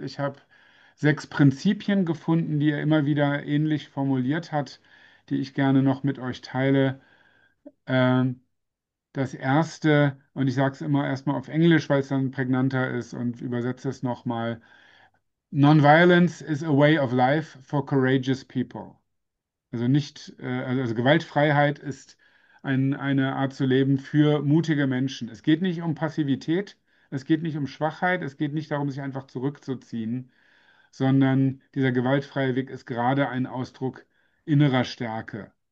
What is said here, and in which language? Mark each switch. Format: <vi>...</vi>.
<de>Ich habe sechs Prinzipien gefunden, die er immer wieder ähnlich formuliert hat, die ich gerne noch mit euch teile. Das erste, und ich sage es immer erstmal auf Englisch, weil es dann prägnanter ist und übersetze es nochmal.</de> <en>Nonviolence is a way of life for courageous people.</en> <de>Also nicht, also Gewaltfreiheit ist eine Art zu leben für mutige Menschen. Es geht nicht um Passivität, es geht nicht um Schwachheit, es geht nicht darum, sich einfach zurückzuziehen, sondern dieser gewaltfreie Weg ist gerade ein Ausdruck innerer Stärke.</de>